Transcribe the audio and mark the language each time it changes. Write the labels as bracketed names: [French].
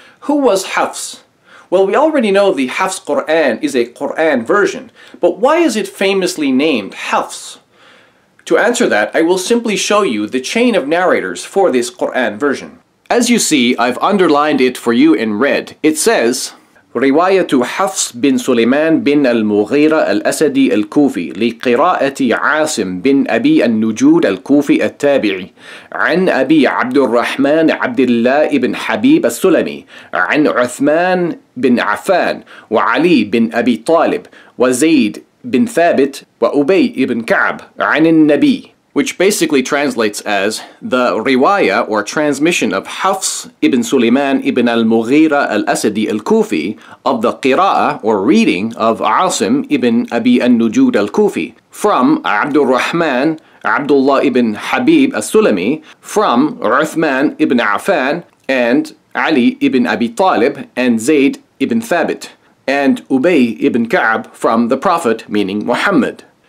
[English] Who was Hafs? Well, we already know the Hafs Qur'an is a Qur'an version, but why is it famously named Hafs? To answer that, I will simply show you the chain of narrators for this Qur'an version. As you see, I've underlined it for you in red. [Arabic] It says, روايه حفص بن سليمان بن المغيرة الأسدي الكوفي لقراءة عاصم بن أبي النجود الكوفي التابعي عن أبي عبد الرحمن عبد الله بن حبيب السلمي عن عثمان بن عفان وعلي بن أبي طالب وزيد بن ثابت وأبي بن كعب عن النبي. [English] Which basically translates as the riwayah or transmission of Hafs ibn Sulayman ibn al-Mughira al-Asadi al-Kufi of the qira'ah or reading of Asim ibn Abi al-Nujud al-Kufi from Abdul Rahman Abdullah ibn Habib al-Sulami from Uthman ibn Affan and Ali ibn Abi Talib and Zayd ibn Thabit and Ubay ibn Ka'ab from the Prophet, meaning Muhammad.